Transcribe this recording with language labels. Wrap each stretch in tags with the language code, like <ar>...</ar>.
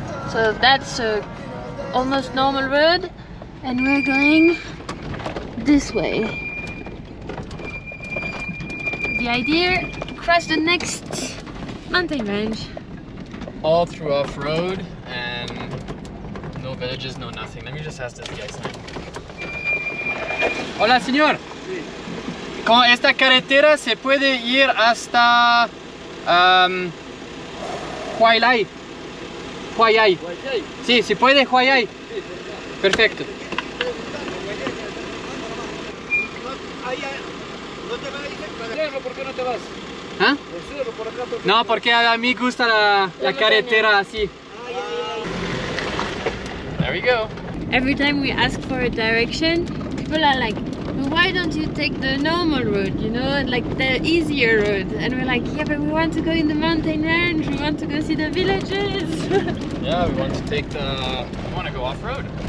<en>So that's a almost normal road, and we're going this way. The idea, cross the next mountain range. All through off-road, and no villages, no nothing. Let me just ask this guy's name.</en> <es>Hola, señor. Sí. Con esta carretera se puede ir hasta Huaylay. Huayay. Sí, si puede, Huayay. Perfecto. No, porque a mí gusta la carretera así.</es> <en>There we go. Every time we ask for a direction, people are like, why don't you take the normal road, you know, like the easier road? And we're like, yeah, but we want to go in the mountain range, we want to go see the villages. Yeah, we want to take the... we want to go off-road.</en>